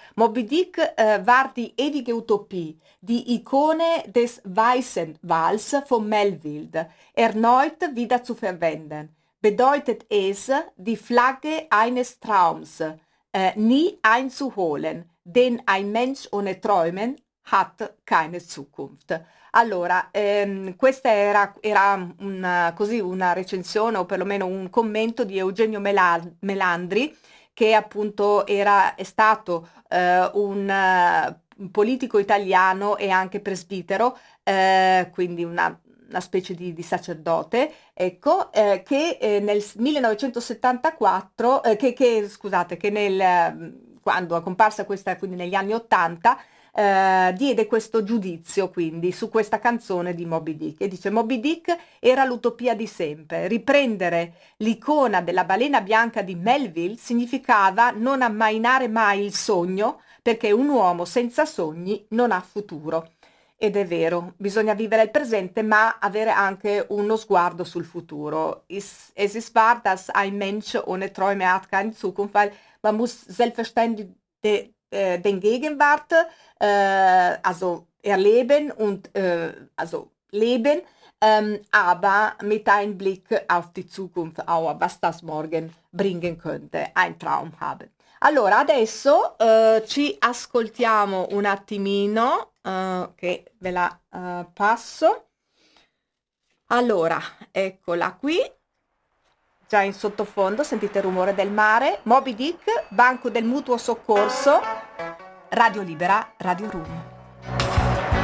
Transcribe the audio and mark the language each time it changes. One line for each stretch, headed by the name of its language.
German: Moby Dick war die ewige Utopie, die Ikone des Weißen Wals von Melville, erneut wieder zu verwenden. Bedeutet es, die Flagge eines Traums nie einzuholen, denn ein Mensch ohne Träumen hat keine Zukunft.
Italian: Allora, questa era una, così una recensione o perlomeno un commento di Eugenio Melandri, che appunto è stato un politico italiano e anche presbitero, quindi una specie di sacerdote, ecco, che nel 1974, che nel quando è comparsa questa, quindi negli anni 80, diede questo giudizio quindi su questa canzone di Moby Dick e dice: Moby Dick era l'utopia di sempre, riprendere l'icona della balena bianca di Melville significava non ammainare mai il sogno, perché un uomo senza sogni non ha futuro. Ed è vero, bisogna vivere il presente ma avere anche uno sguardo sul futuro.
German: Es ist wahr, dass ein Mensch ohne Träume hat keine Zukunft, weil man muss selbstverständlich den Gegenwart also erleben und also leben, aber mit einem Blick auf die Zukunft, auch was das morgen bringen könnte, ein Traum haben.
Italian: Allora, adesso ci ascoltiamo un attimino, che ve la passo. Allora, eccola qui, già in sottofondo, sentite il rumore del mare, Moby Dick, Banco del Mutuo Soccorso, Radio Libera, Radio Room.